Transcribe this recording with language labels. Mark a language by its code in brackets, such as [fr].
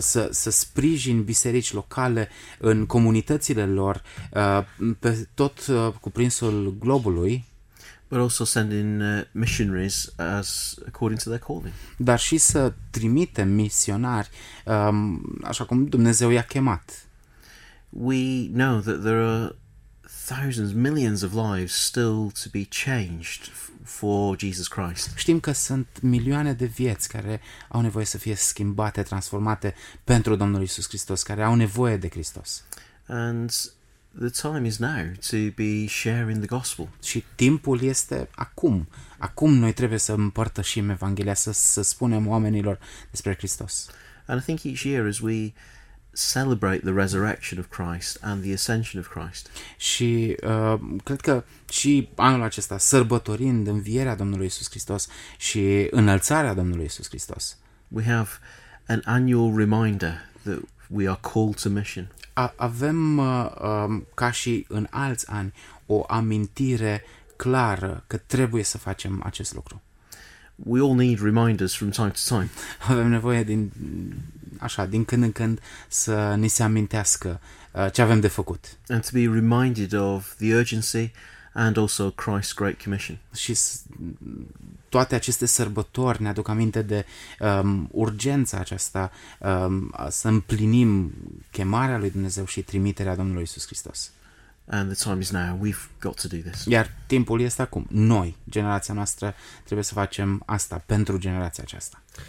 [ro] Să sprijin biserici locale în comunitățile lor pe tot cuprinsul globului. [en] But also sending missionaries as according to their calling. [ro] Dar și să trimitem misionari, așa cum Dumnezeu i-a chemat. [en] We know that there are thousands, millions of lives still to be changed for Jesus Christ. [ro] Știm că sunt milioane de vieți care au nevoie să fie schimbate, transformate pentru Domnul Iisus Hristos, care au nevoie de Hristos. [en] And the time is now to be sharing the gospel. [ro] Și timpul este acum. Acum noi trebuie să împărtășim Evanghelia, să spunem oamenilor despre Hristos. [en] And I think each year as we celebrate the resurrection of Christ and the ascension of Christ. [ro] Și cred că și anul acesta, sărbătorind învierea Domnului Iisus Hristos și înălțarea Domnului Iisus Hristos, [en] we have an annual reminder that we are called to mission. [ro] Avem ca și în alți ani o amintire clară că trebuie să facem acest lucru. [en] We all need reminders from time to time. [ro] Avem nevoie din când în când să ni se amintească ce avem de făcut. [en] And to be reminded of the urgency and also Christ's great commission. [ro] Și toate aceste sărbători ne aduc aminte de urgența aceasta să împlinim chemarea lui Dumnezeu și trimiterea Domnului Iisus Hristos. [en] And the time is now. We've got to do this. [ro] Iar timpul este acum. Noi, generația noastră, trebuie să facem asta pentru generația aceasta.